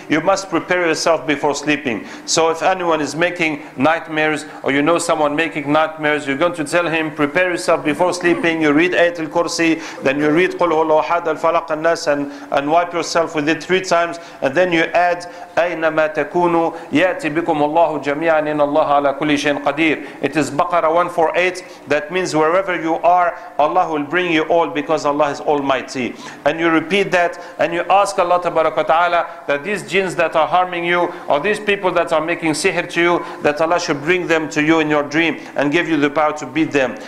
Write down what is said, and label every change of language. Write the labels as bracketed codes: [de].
[en] You must prepare yourself before sleeping. So if anyone is making nightmares or you know someone making nightmares, you're going to tell him, prepare yourself before sleeping, you read Ayat al Kursi, then you read Qul huwallahu ahad al falaq al nas and wipe yourself with it three times and then you add Aynama takunu. [ar] يأتي بكم الله جميعا إن الله على كل شيء قدير. [en] It is Baqarah 148. That means wherever you are, Allah will bring you all because Allah is Almighty. and you repeat that, and you ask Allah tabaraka ta'ala that these jinns that are harming you, or these people that are making sihr to you, that Allah should bring them to you in your dream and give you the power to beat them.